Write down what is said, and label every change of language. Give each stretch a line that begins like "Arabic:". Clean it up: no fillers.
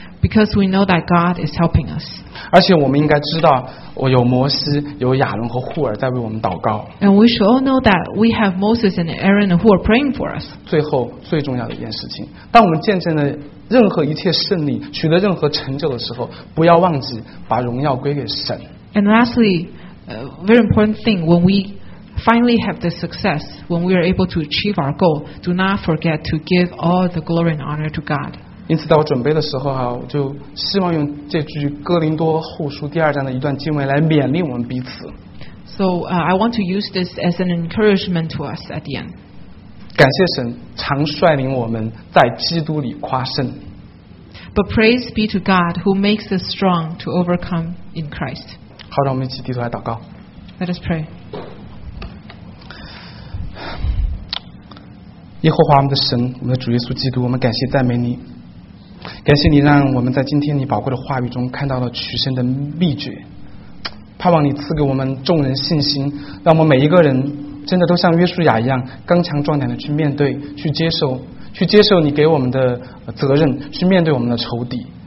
English: Because we know that God is helping us.
Chinese: 而且我们应该知道，我有摩西、有亚伦和户尔在为我们祷告。
English: And we should all know that we have Moses and Aaron who are praying for us.
Chinese: 最后最重要的一件事情，当我们见证了任何一切胜利、取得任何成就的时候，不要忘记把荣耀归给神。
English: And lastly. Very important thing, when we finally have the success, when we are able to achieve our goal, do not forget to give all the glory and honor to God.
Chinese: 因此在我准备的时候，我就希望用这句哥林多后书第二章的一段经文来勉励我们彼此。
English: So, I want to use this as an encouragement to us at the end.
Chinese: 感谢神常率领我们在基督里夸胜。
English: But praise be to God who makes us strong to overcome in Christ.
Chinese: 好，让我们一起低头来祷告。
English: Let us pray.
Chinese: 耶和华我们的神，我们的主耶稣基督，我们感谢赞美你，感谢你让我们在今天你宝贵的话语中看到了取胜的秘诀，盼望你赐给我们众人信心，让我们每一个人真的都像约书亚一样刚强壮胆的去面对，去接受，去接受你给我们的责任，去面对我们的仇敌。